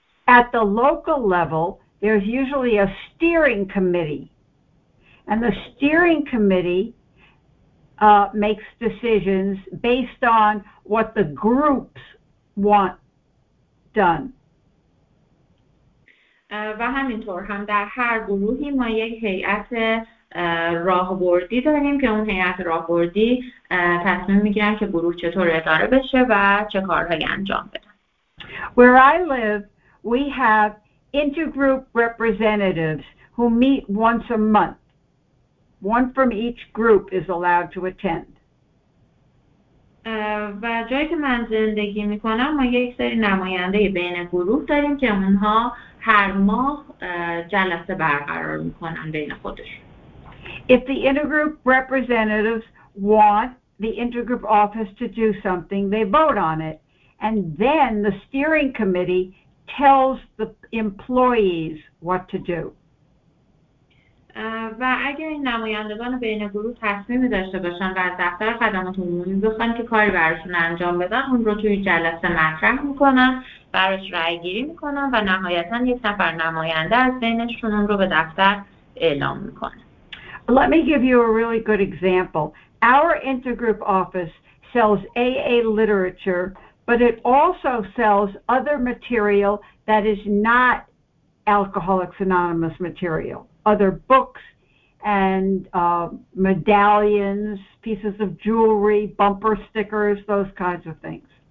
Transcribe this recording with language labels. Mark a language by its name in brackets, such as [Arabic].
[English] At the local level, there's usually a steering committee. And the steering committee makes decisions based on what the groups want done. [Persian] و همینطور هم در هر گروهی ما یک هیئت راهبردی داریم که اون هیئت راهبردی تصمیم میگیرن که گروه چطور اداره بشه و چه کارهایی انجام بدن. [English] Where I live, we have intergroup representatives who meet once a month. One from each group is allowed to attend. [Persian] و جایی که من زندگی میکنم ما یک سری نماینده بین گروه داریم که اونها هر ماه جلسه برقرار میکنن بین خودش. [English] If the intergroup representatives want the intergroup office to do something, they vote on it. And then the steering committee tells the employees what to do. [Persian] و اگر این نمایندگان بین گروه تصمیمی داشته باشن و از دفتر خدمات عمومی بخوان که کاری براشون انجام بدن، اون رو توی جلسه مطرح میکنن، براش رأی گیری میکنن و نهایتاً یک نفر نماینده از بینشون اون رو به دفتر اعلام میکنه. [English] Let me give you a really good example. Our intergroup office sells AA literature, but it also sells other material that is not Alcoholics Anonymous material, other books and medallions, pieces of jewelry, bumper stickers, those kinds of things.